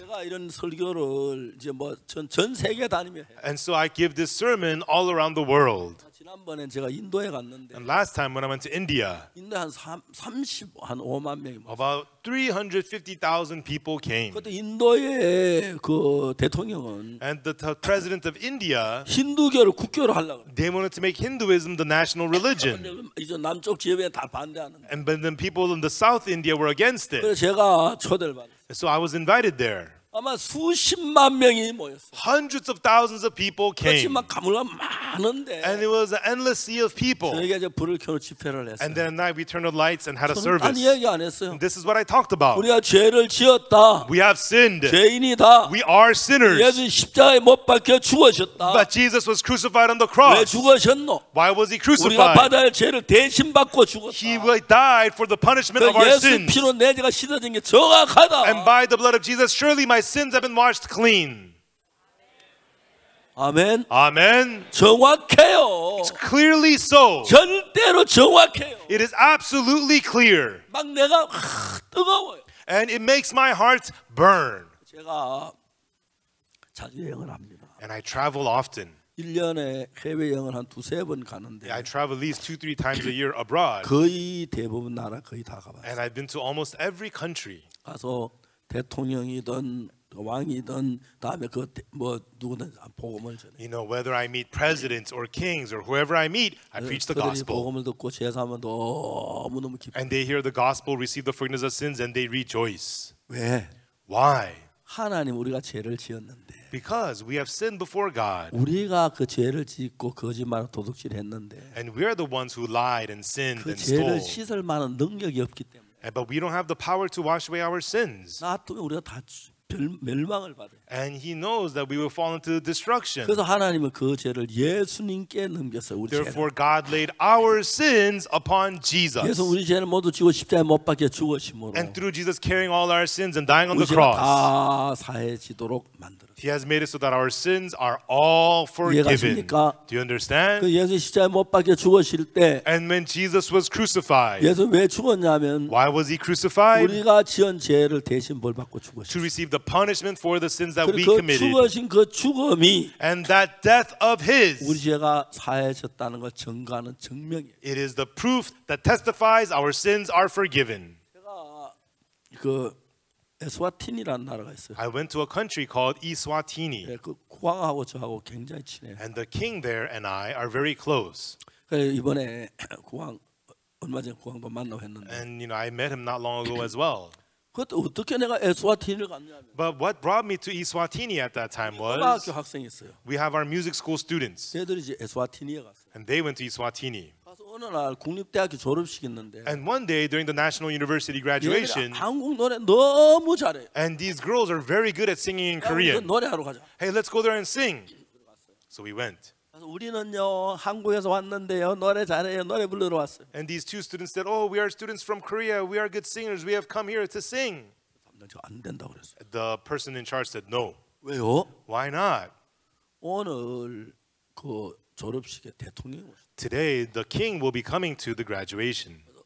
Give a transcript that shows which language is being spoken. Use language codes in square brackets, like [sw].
[ko] 제가 이런 설교를 이제 뭐 전 세계 다니며 해요. [en] And so I give this sermon all around the world. [ko] 지난번에 제가 인도에 갔는데 [en] And last time when I went to India [ko] 인도 한 5만 명이 [en] About 350,000 people came. [ko] 그때 인도의 그 대통령은 [en] And the president of India [ko] 힌두교를 국교로 하려고 그래. [en] They wanted to make Hinduism the national religion. [ko] 이제 남쪽 지역에 다 반대하는 [en] And but then people in the south India were against it. [ko] 그래서 제가 초대를 받았어요. [en] So I was invited there. [ko] 아마 수십만 명이 모였어. [en] Hundreds of thousands of people came. [ko] 그렇지만 가물가 많은데. [en] And it was an endless sea of people. [ko] 저녁에 이제 불을 켜놓고 집회를 했어. [en] And then at night we turned on lights and had a service. [ko] 저는 딴 이야기 안 했어요. [en] This is what I talked about. [ko] 우리가 죄를 지었다. [en] We have sinned. [ko] 죄인이다. [en] We are sinners. [ko] 예수 십자가에 못 박혀 죽으셨다. [en] But Jesus was crucified on the cross. [ko] 왜 죽으셨노? [en] Why was he crucified? [ko] 우리가 받아야 할 죄를 대신 받고 죽었다. [en] He died for the punishment of our sins. [ko] 예수 피로 내 죄가 씻어진 게 정확하다. [en] And by the blood of Jesus, surely my sins have been washed clean. Amen. Amen. [ko] 정확해요. [en] It's clearly so. [ko] 절대로 정확해요. [en] It is absolutely clear. [ko] 막 내가 뜨거워요. [en] And it makes my heart burn. [ko] 제가 자주 여행을 합니다. [en] And I travel often. [ko] 1년에 해외 여행을 한 두세 번 가는데 [en] I travel at least 2-3 times a year abroad. [ko] 거의 대부분 나라 거의 다 가봤어요. [en] And I've been to almost every country. [ko] 가서 대통령이든 왕이든 다음에 그 뭐 누구든 복음을 전해. [en] You know whether I meet presidents or kings or whoever I meet, I preach the gospel. [ko] 그들이 복음을 듣고 죄사하면 너무 너무 기뻐. [en] And they hear the gospel, receive the forgiveness of sins, and they rejoice. [ko] 왜? [en] Why? [ko] 하나님 우리가 죄를 지었는데. [en] Because we have sinned before God. [ko] 우리가 그 죄를 짓고 거짓말 도둑질 했는데. [en] And we are the ones who lied and sinned and stole. [ko] 그 죄를 씻을 만한 능력이 없기 때문에. [en] But we don't have the power to wash away our sins. [ko] 나도 우리가 다 멸망을 받아. [en] And he knows that we will fall into destruction. [ko] 그래서 하나님은 그 죄를 예수님께 넘겨서 우리 [en] Therefore, God laid our sins upon Jesus. [ko] 예수 우리 죄는 모두 지고 십자에 못 박혀 죽으심으로. [en] And through Jesus carrying all our sins and dying on the cross. [ko] 다 사해지도록 만들. [en] He has made it so that our sins are all forgiven. Do you understand? [ko] 그 예수 십자에 못 박혀 죽으실 때 [en] And when Jesus was crucified. [ko] 예수 왜 죽었냐면 [en] Why was he crucified? [ko] 우리가 지은 죄를 대신 벌 받고 죽으셨어. [en] To receive the punishment for the sins that 그 we committed. [ko] 그 죽으신 그 죽음이 [en] And that death of his. [ko] 우리 죄가 사해졌다는 걸 증거하는 증명이에요. [en] It is the proof that testifies our sins are forgiven. [ko] 그 에스와티니라는 나라가 있어요. [en] I went to a country called Eswatini. [ko] 네, 그 국왕하고 저하고 굉장히 친해요. [en] And the king there and I are very close. [ko] 그래, 이번에 국왕 얼마 전에 국왕도 만나고 했는데. [en] And you know I met him not long ago as well. [ko] 그때 어떻게 내가 에스와티니를 갔냐면. [en] But what brought me to Eswatini at that time was [ko] 음악학교 학생 있어요. [en] We have our music school students. [ko] 얘들이 이제 에스와티니에 갔어요. [en] And they went to Eswatini. [ko] 어느 날 국립대학교 졸업식 있는데 [en] And one day during the National University graduation [ko] 한국 노래 너무 잘해 [en] And these girls are very good at singing in Korean [ko] 노래하러 가자 [en] Hey, let's go there and sing So we went [ko] 우리는요 한국에서 왔는데요 노래 잘해요 노래 부르러 왔어요 [en] And these two students said Oh, we are students from Korea We are good singers We have come here to sing [ko] 담당자가 안 된다고 그랬어 [en] The person in charge said no [ko] 왜요? [en] Why not? [ko] 오늘 그 졸업식에 대통령이 왔어 [en] Today, the king will be coming to the graduation.